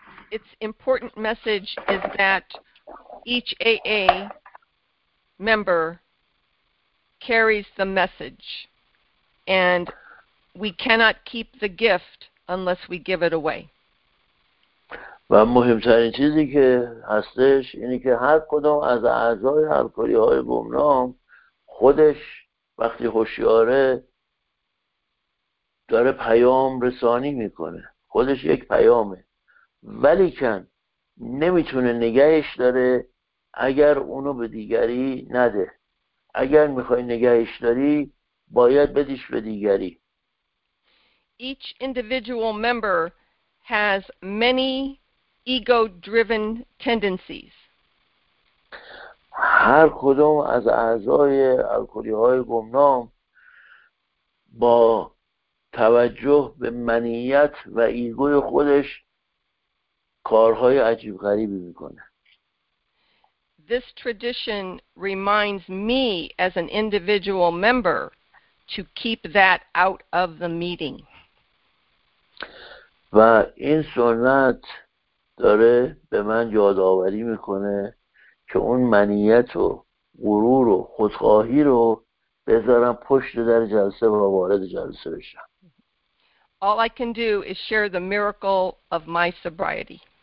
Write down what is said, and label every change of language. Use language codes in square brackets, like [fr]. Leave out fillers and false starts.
[en] Its important message is that each AA member carries the message and we cannot keep the gift unless we give it away. [fa] و مهمترین چیزی که هستش اینی که هر کدوم از اعضای الکلی های گمنام خودش وقتی هوشیاره داره پیام رسانی میکنه، خودش یک پیامه، ولیکن نمیتونه نگهش داره اگر اونو به دیگری نده. اگر میخوای نگهش داری باید بدیش به دیگری. [en] Each individual member has many ego-driven tendencies. [fa] هر کدوم از اعضای الکلی های گمنام با توجه به منیت و ایگوی خودش کارهای عجیب غریبی میکنه. [en] This tradition reminds me as an individual member to keep that out of the meeting. [fa] و این سنت داره به من یادآوری میکنه که اون منیت و غرور و خودخواهی رو بذارم پشت در جلسه و وارد جلسه بشم. [en] All I can do is share the miracle of my sobriety.